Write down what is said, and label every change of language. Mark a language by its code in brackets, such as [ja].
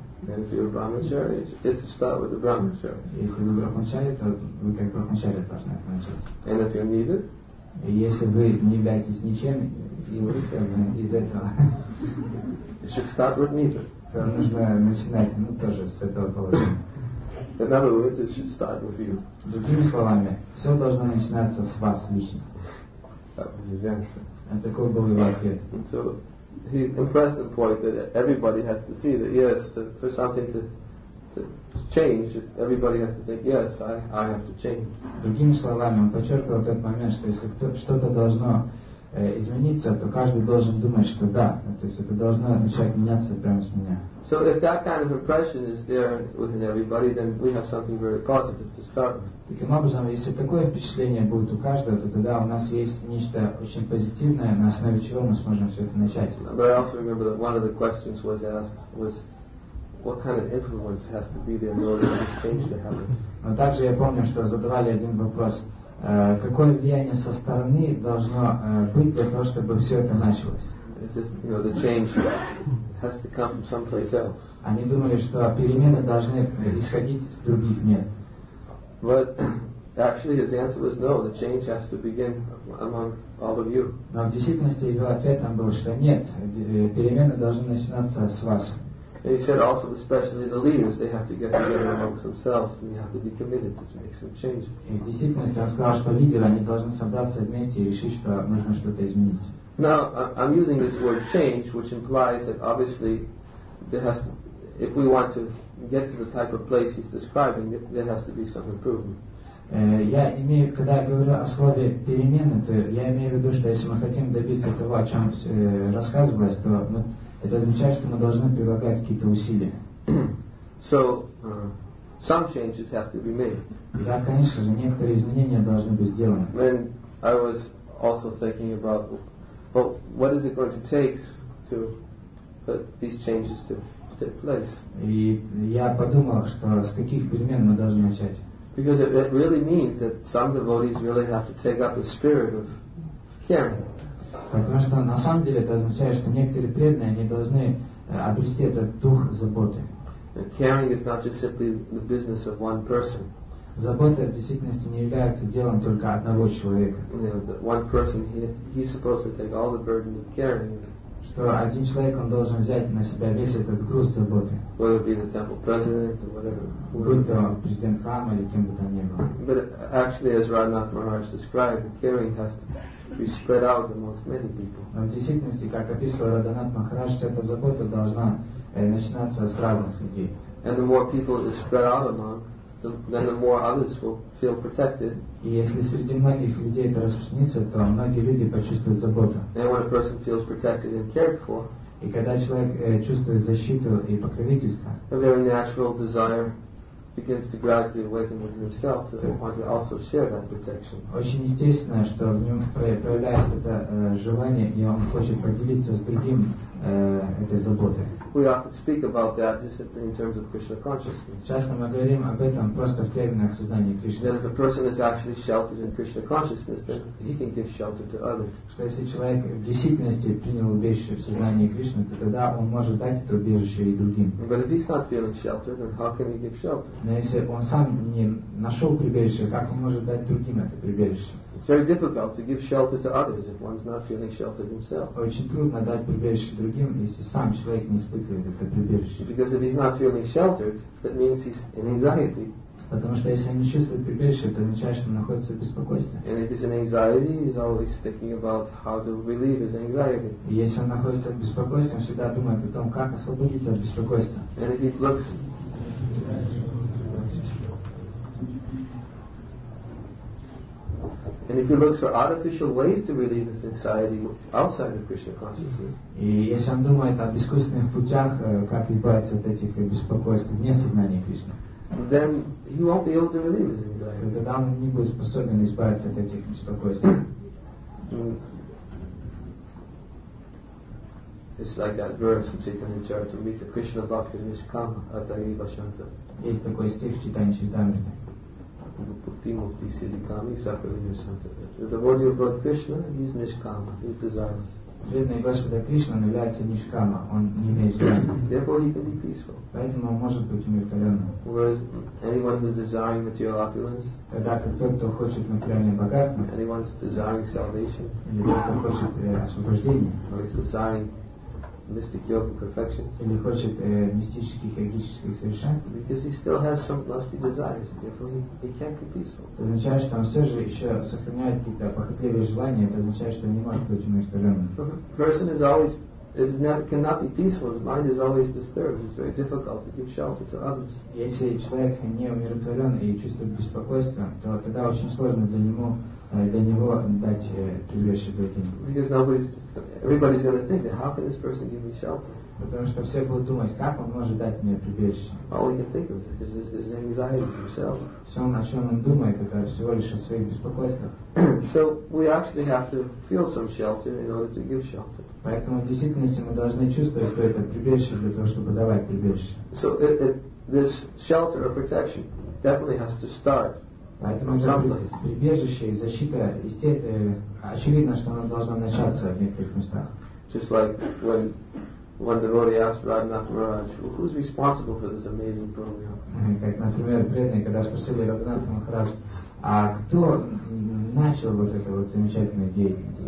[en] And if you're a brahmachari, it should start with the brahmachari. [ru] Если вы брахмачари, то вы как брахмачари должны это начать. [en] And if you're needed? [ru] Если вы не являетесь ничем, из этого. [en] It should start with needed. [ru] То нужно начинать, ну, тоже с этого положения. [en] In other words, it should start with you. [ru] Другими словами, все должно начинаться с вас лично. [en] That was his answer. [ru] А такой был его ответ. [en] So, he impressed the point that everybody has to see that yes, for something to change, everybody has to think yes, I have to change. [ru] Другими словами, он подчеркивал тот момент, что если что-то должно измениться, то каждый должен думать, что да, то есть это должно начать меняться прямо с меня. [en] So if that kind of impression is there within everybody, then we have something very positive to start with. [ru] Таким образом, если такое впечатление будет у каждого, то тогда у нас есть нечто очень позитивное, на основе чего мы сможем все это начать. [en] But I also remember that one of the questions was asked was, what kind of influence has to be there in order for this change to happen? [ru] Но также я помню, что задавали один вопрос. Какое влияние со стороны должно быть для того, чтобы все это началось? [en] As if, you know, the change has to come from someplace else. [ru] Они думали, что перемены должны исходить с других мест. [en] But actually, his answer was no. The change has to begin among all of you. [ru] Но в действительности его ответом было, что нет, перемены должны начинаться с вас. [en] And he said also, especially the leaders, they have to get together amongst themselves and they have to be committed to make some changes. [ru] И в действительности он сказал, что лидеры, они должны собраться вместе и решить, что нужно что-то изменить. [en] Now, I'm using this word change, which implies that obviously there has to, if we want to get to the type of place he's describing, there has to be some improvement. [ru] Когда я говорю о слове перемены, то я имею в виду, что если мы хотим добиться того, о чем рассказывалось, то мы... Это означает, что мы должны прилагать какие-то усилия. [en] So, some changes have to be made. [ru] Да, конечно же, некоторые изменения должны быть сделаны. [en] Then I was also thinking about, well, what is it going to take to put these changes to take place? [ru] И я подумал, что с каких перемен мы должны начать. [en] Because it really means that some devotees really have to take up the spirit of caring. [ru] Потому что на самом деле это означает, что некоторые преданные, они должны обрести этот дух заботы. [en] Caring is not just simply the business of one person. [ru] Забота в действительности не является делом только одного человека. [en] One person, he's supposed to take all the burden of caring. [ru] Что один человек он должен взять на себя весь этот груз заботы. [en] Whether it be the temple president or whatever. [ru] Будь то президент храма или кем бы то ни было. [en] But actually, as Radhanath Maharaj described, the caring has to be spread out amongst many people. [ru] Но в действительности, как описывал Радханат Махарадж, эта забота должна начинаться с разных людей. [en] And the more people is spread out among, then the more others will feel protected. [ru] И если среди многих людей это распространится, то многие люди почувствуют заботу. [en] And when a person feels protected and cared for, [ru] и когда человек чувствует защиту и покровительство, [en] a very natural desire begins to gradually awaken within himself to want to also share that protection. [ru] Очень естественно, что в нем появляется это желание, и он хочет поделиться с другим этой заботой. [en] We often speak about that just in terms of Krishna consciousness. [ru] Часто мы говорим об этом просто в терминах сознания Кришны. [en] That if a person is actually sheltered in Krishna consciousness, then he can give shelter to others. [ru] Что если человек в действительности принял убежище в сознании Кришны, то тогда он может дать это убежище и другим. [en] But if he's not feeling sheltered, then how can he give shelter? [ru] Но если он сам не нашел прибежище, как он может дать другим это прибежище? [en] It's very difficult to give shelter to others if one's not feeling sheltered himself. [ru] Очень трудно дать прибежище другим, если сам человек не испытывает это прибежище. [en] Because if he's not feeling sheltered, that means he's in anxiety. [ru] Потому что если он не чувствует прибежище, это означает, что он находится в беспокойстве. [en] And if he's in anxiety, he's always thinking about how to relieve his anxiety. [ru] И если он находится в беспокойстве, он всегда думает о том, как освободиться от беспокойства. [en] And if he looks. And if he looks for artificial ways to relieve his anxiety outside of Krishna consciousness, [ru] и если он думает об искусственных путях, как избавиться от этих беспокойств вне сознания Кришны, [en] then he won't be able to relieve his anxiety. [ru] Тогда он не будет способен избавиться от этих беспокойств. [en] It's like that verse in Chaitanya Charitamrita, [bn] Krishna Bhakti Nishkam Atayiva Shanta. [ru] Есть такой стих в Chaitanya Charitamrita. [en] The devotee of Lord Krishna is nishkama, he is desireless. [ru] Преданный Господа Кришна является нишкама, он не имеет желания. [en] Therefore, he can be peaceful. [ru] Поэтому он может быть умиротворенным. [en] Whereas anyone who is desiring material opulence, [ru] тогда как тот, кто хочет материальное богатство, [en] anyone who is desiring salvation, [ru] или тот, кто хочет освобождение, [en] or is desiring mystic yoga perfections, [ru] или хочет мистических йогических совершенств, [en] because he still has some lusty desires, therefore he can't be peaceful. [ru] Это означает, что он все же еще сохраняет какие-то похотливые желания. Это означает, что он не может быть умиротворенным. [en] Person is always, it is not, cannot be peaceful. His mind is always disturbed. It's very difficult to give shelter to others. [ru] Если человек не умиротворен и чувствует беспокойство, то тогда очень сложно для него. Для него дать прибежище другим. [en] Because nobody's, everybody's going to think that how can this person give me shelter? [ru] Потому что все будут думать, как он может дать мне прибежище. [en] All he can think of is anxiety himself. [ru] Все, о чем он думает, это всего лишь о своих беспокойствах. [en] So we actually have to feel some shelter in order to give shelter. [ru] Поэтому в действительности мы должны чувствовать какое-то прибежище для того, чтобы давать прибежище. [en] So this shelter or protection definitely has to start. [ru] Поэтому прибежище и защита, очевидно, что она должна начаться в некоторых местах. [en] Just like when one devotee asked Radhanath Maharaj, well, who's responsible for this amazing program? [ru] Как, например, преданные, когда спросили Радханат Махарадж, а кто начал вот эту вот замечательную деятельность?